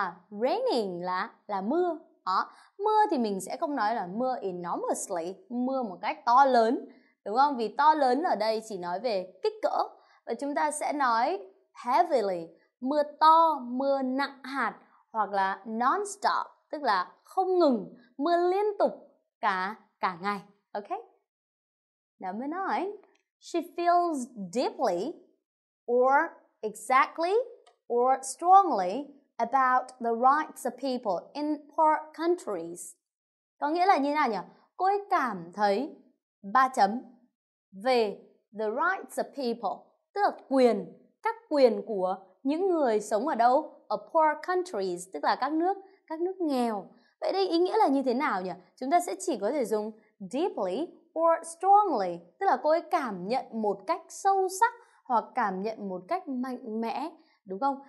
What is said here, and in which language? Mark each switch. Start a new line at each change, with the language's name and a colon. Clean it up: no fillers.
Vietnamese: Raining là mưa. Mưa thì mình sẽ không nói là mưa enormously, mưa một cách to lớn, đúng không? Vì to lớn ở đây chỉ nói về kích cỡ. Và chúng ta sẽ nói heavily, mưa to, mưa nặng hạt, hoặc là non-stop, tức là không ngừng, mưa liên tục cả ngày.
English: Ok? Number 9. She feels deeply or exactly or strongly about the rights of people in poor countries.
Vietnamese: Có nghĩa là như thế nào nhỉ? Cô ấy cảm thấy ba chấm về
English: the rights of people,
Vietnamese: tức là quyền, các quyền của những người sống ở đâu?
English: A poor countries,
Vietnamese: tức là các nước nghèo. Vậy đây ý nghĩa là như thế nào nhỉ? Chúng ta sẽ chỉ có thể dùng
English: deeply or strongly,
Vietnamese: tức là cô ấy cảm nhận một cách sâu sắc hoặc cảm nhận một cách mạnh mẽ, đúng không?